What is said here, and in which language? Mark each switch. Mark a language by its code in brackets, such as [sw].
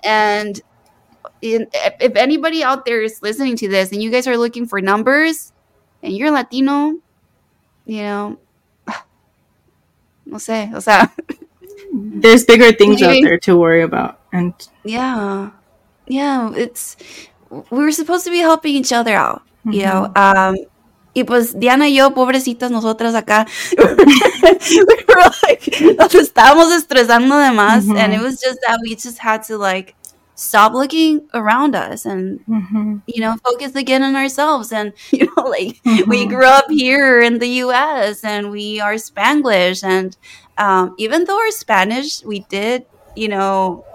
[en] And if anybody out there is listening to this and you guys are looking for numbers and you're Latino, you know, [es] no sé, o sea, [en] there's bigger things out there to worry about. And yeah, it's, we're supposed to be helping each other out, mm-hmm. you know. [es] Y pues Diana y yo, pobrecitas nosotras acá, [en] we were like, [es] nos estábamos estresando de más, mm-hmm. [en] and it was just that we just had to, like, stop looking around us and, mm-hmm. you know, focus again on ourselves. And, you know, like, mm-hmm. we grew up here in the U.S. and we are Spanglish. And even though our Spanish, we did, you know,